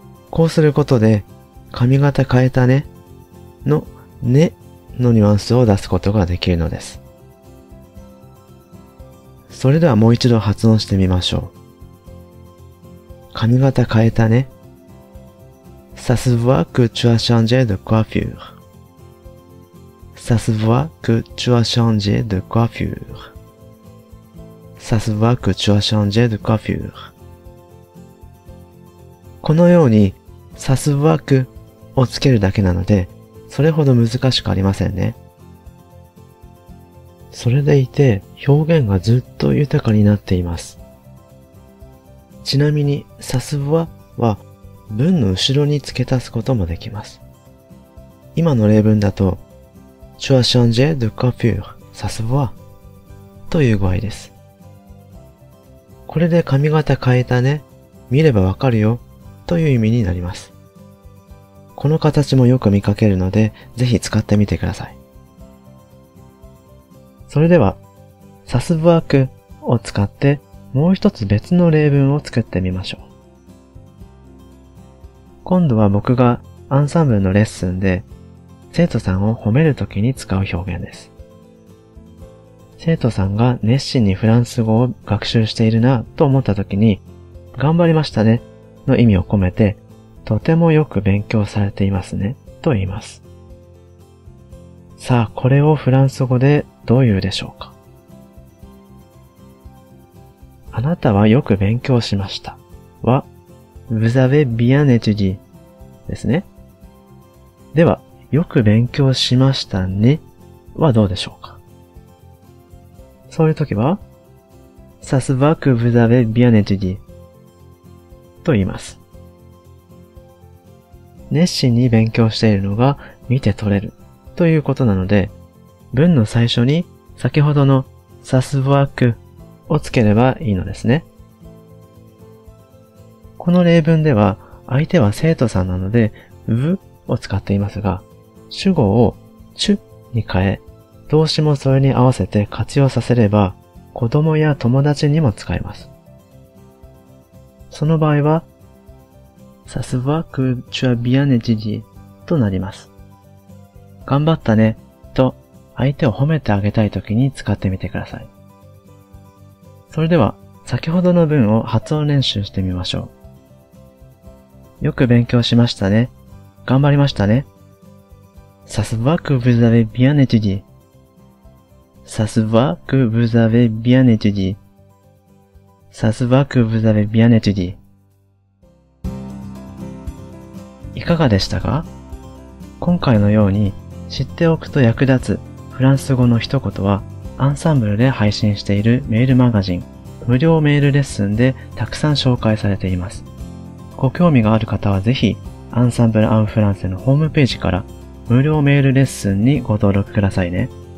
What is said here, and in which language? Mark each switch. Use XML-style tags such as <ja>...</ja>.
<ja>こうすることで、髪型変えたねのねのニュアンスを出すことができるのです。それではもう一度発音してみましょう。髪型変えたね。さすはくちゅあしゃんじぇどこはふぅ。</ja> <fr>Ça se voit que tu as changé de coiffure. ça se voit que tu as changé de coiffure.</fr> <ja>このように、</ja> <fr>ça se voit que</fr> <ja>をつけるだけなので、それほど難しくありませんね。それでいて、表現がずっと豊かになっています。ちなみに、ça se voit は文の後ろに付け足すこともできます。今の例文だと、</ja> <fr>tu as changé de coiffure, ça se voit</fr> <ja>という具合です。これで髪型変えたね、見ればわかるよという意味になります。この形もよく見かけるので、ぜひ使ってみてください。それでは、</ja> <fr>ça se voit que</fr> <ja>を使って、もう一つ別の例文を作ってみましょう。今度は僕がアンサンブルのレッスンで、生徒さんを褒めるときに使う表現です。生徒さんが熱心にフランス語を学習しているなと思ったときに、頑張りましたねの意味を込めて、とてもよく勉強されていますねと言います。さあ、これをフランス語でどう言うでしょうか。あなたはよく勉強しましたは、</ja> <fr>Vous avez bien étudié</fr> <ja>ですね。では、よく勉強しましたねはどうでしょうか。そういう時は、</ja> <fr>Ça se voit que vous avez bien étudié</fr> <ja>と言います。熱心に勉強しているのが見て取れるということなので、文の最初に先ほどのさすわくをつければいいのですね。この例文では相手は生徒さんなので、ぶを使っていますが、主語をちゅに変え、動詞もそれに合わせて活用させれば、子供や友達にも使えます。その場合は、</ja> <fr>ça se voit que tu as bien étudié</fr> <ja>となります。頑張ったねと相手を褒めてあげたいときに使ってみてください。それでは先ほどの文を発音練習してみましょう。よく勉強しましたね。頑張りましたね。</ja> <fr>ça se voit que vous avez bien étudié. ça se voit que vous avez bien étudié. ça se voit que vous avez bien étudié.</fr> <ja>いかがでしたか？今回のように知っておくと役立つフランス語の一言はアンサンブルで配信しているメールマガジン無料メールレッスンでたくさん紹介されています。ご興味がある方はぜひアンサンブルアンフランセのホームページから無料メールレッスンにご登録くださいね。</ja>